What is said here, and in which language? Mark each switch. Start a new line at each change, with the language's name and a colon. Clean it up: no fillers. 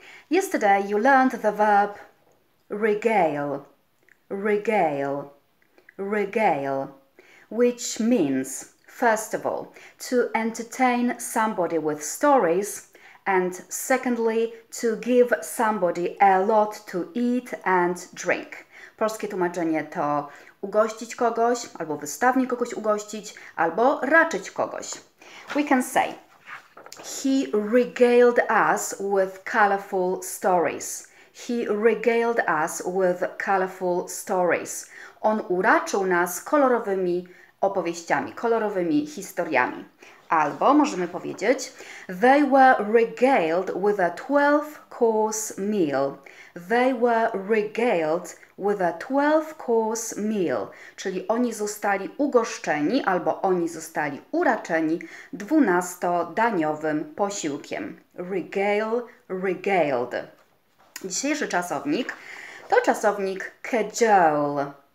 English: Yesterday you learned the verb regale, regale, regale, which means, first of all, to entertain somebody with stories, and secondly, to give somebody a lot to eat and drink.
Polish: Polskie tłumaczenie to ugościć kogoś, albo wystawnie kogoś ugościć, albo raczyć kogoś.
English: We can say, he regaled us with colorful stories. He regaled us with colorful stories.
Polish: On uraczył nas kolorowymi opowieściami, kolorowymi historiami. Albo możemy powiedzieć,
English: they were regaled with a 12-course meal. They were regaled with a 12-course meal.
Polish: Czyli oni zostali ugoszczeni albo oni zostali uraczeni 12-daniowym posiłkiem. Regale, regaled. Dzisiejszy czasownik to czasownik cajole.